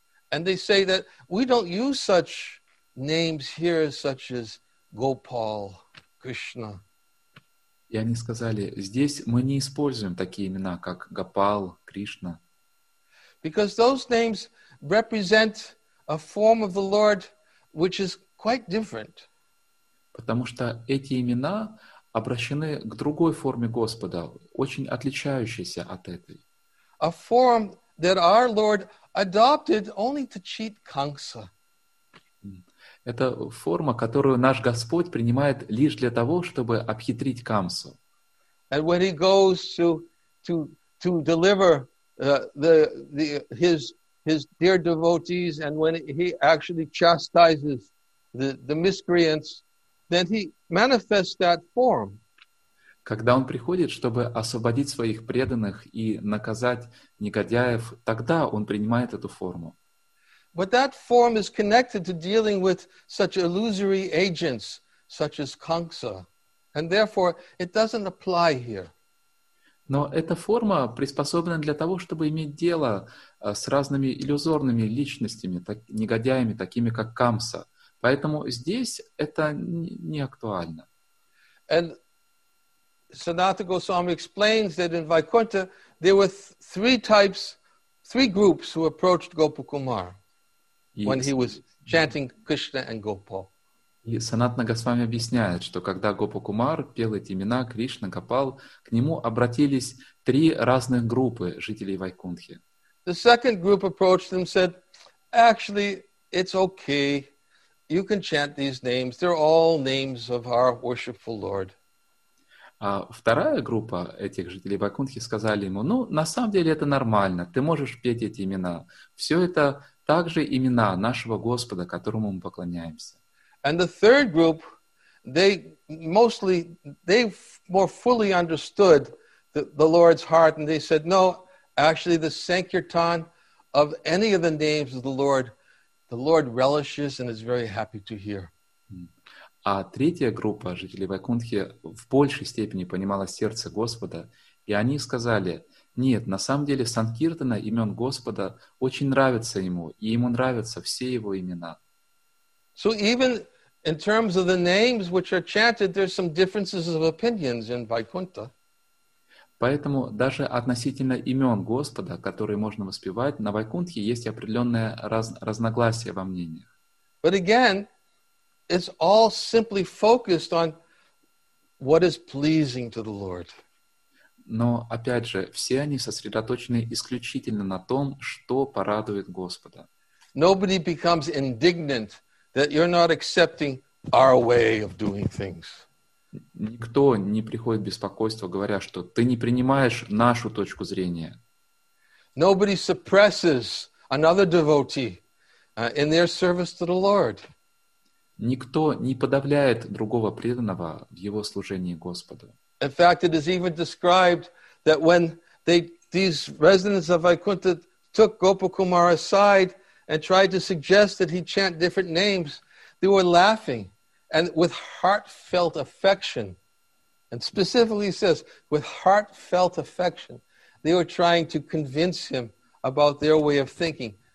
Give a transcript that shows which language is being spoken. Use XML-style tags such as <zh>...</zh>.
<en>And they say that we don't use such names here, such as Gopal, Krishna.</en> <ru>И они сказали, здесь мы не используем такие имена, как Гопал, Кришна.</ru> <en>Because those names represent a form of the Lord which is quite different.</en> <ru>Потому что эти имена обращены к другой форме Господа, очень отличающейся от этой.</ru> <en>A form that our Lord adopted only to cheat Kamsa.</en> <ru>Это форма, которую наш Господь принимает лишь для того, чтобы обхитрить Камсу.</ru> <en>And when he goes to deliver his dear devotees, and when he actually chastises the miscreants, then he manifests that form.</en> <ru>Когда он приходит, чтобы освободить своих преданных и наказать негодяев, тогда он принимает эту форму.</ru> <en>But that form is connected to dealing with such illusory agents, such as Kamsa, and therefore it doesn't apply here.</en> <ru>Но эта форма приспособлена для того, чтобы иметь дело с разными иллюзорными личностями, негодяями, такими как Камса. Поэтому здесь это не актуально.</ru> <en>And Sanatha Goswami explains that in Vaikuntha there were three groups who approached Gopakumara when he was chanting Krishna and Gopal.</en> <ru>И Санатана Госвами объясняет, что когда Гопакумар пел эти имена Кришна, Гопал, к нему обратились три разных группы жителей Вайкунтхи.</ru> <en>The second group approached him and said, actually, it's okay. You can chant these names. They're all names of our worshipful Lord.</en> <ru>А вторая группа этих жителей Вайкунтхи сказали ему, ну, на самом деле это нормально, ты можешь петь эти имена. Все это также имена нашего Господа, которому мы поклоняемся.</ru> <en>And the third group, they more fully understood the Lord's heart, and they said, no, actually the Sankirtan of any of the names of the Lord relishes and is very happy to hear.</en> <ru>А третья группа жителей Вайкунтхи в большей степени понимала сердце Господа, и они сказали, нет, на самом деле Санкиртана имен Господа очень нравится ему, и ему нравятся все его имена.</ru> <en>So even in terms of the names which are chanted, there's some differences of opinions in Vaikuntha.</en> <ru>Поэтому даже относительно имен Господа, которые можно воспевать, на Вайкунтхе есть определенное разногласие во мнениях.</ru> <en>But again, it's all simply focused on what is pleasing to the Lord.</en> <ru>Но, опять же, все они сосредоточены исключительно на том, что порадует Господа.</ru> <en>Nobody becomes indignant that you're not accepting our way of doing things.</en> <ru>Никто не приходит в беспокойство, говоря, что ты не принимаешь нашу точку зрения.</ru> <en>Nobody suppresses another devotee in their service to the Lord.</en> <ru>Никто не подавляет другого преданного в его служении Господу.</ru> <en>In fact, it is even described that when these residents of Vaikuntha took Gopakumara aside and tried to suggest that he chant different names, they were laughing and with heartfelt affection. And specifically says, with heartfelt affection, they were trying to convince him about their way of thinking.</en>